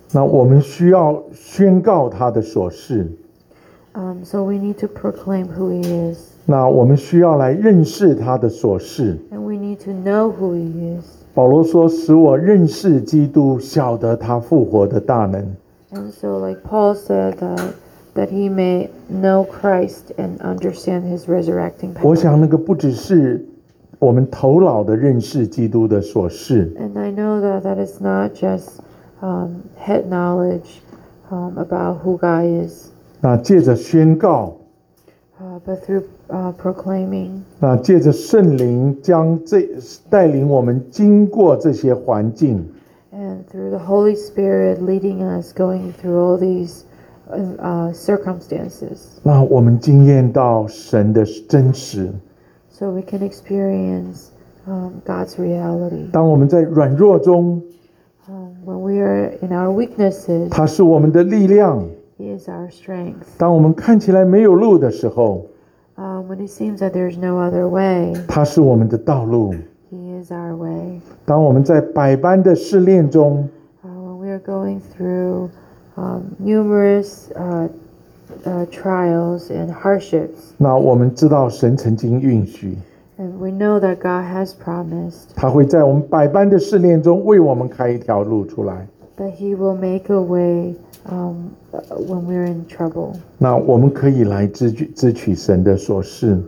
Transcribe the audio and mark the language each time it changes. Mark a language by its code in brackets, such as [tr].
[zh] 那我们需要宣告他的所事。 [en] So we need to proclaim who he is. [zh] 那我们需要来认识他的所事。 [en] And we need to know who he is. [zh] 保罗说使我认识基督，晓得他复活的大能。 [en] And so like Paul said that he may know Christ and understand his resurrecting power. [zh] 我想那个不只是我们头脑的认识基督的所事。 [en] And I know that is not just head knowledge about who God is. [zh] 那借着宣告， [en] But through proclaiming. [zh] 那借着圣灵将这带领我们经过这些环境。 [en] And through the Holy Spirit leading us going through all these circumstances. [zh] 让我们经验到神的真实。 [en] So we can experience God's reality. [zh] 当我们在软弱中。 [en] When we are in our weaknesses, [zh] 他是我们的力量。 [en] He is our strength. [zh] 当我们看起来没有路的时候， [en] When it seems that there's no other way, [zh] 他是我们的道路。 [en] He is our way. [zh] 当我们在百般的试炼中， [en] When we are going through numerous trials and hardships, [zh] 那我们知道神曾经应许。 [en] And we know that God has promised. [zh] 他会在我们百般的试炼中为我们开一条路出来。 [en] That He will make a way, when we're in trouble. [zh] 那我们可以来支取神的所示。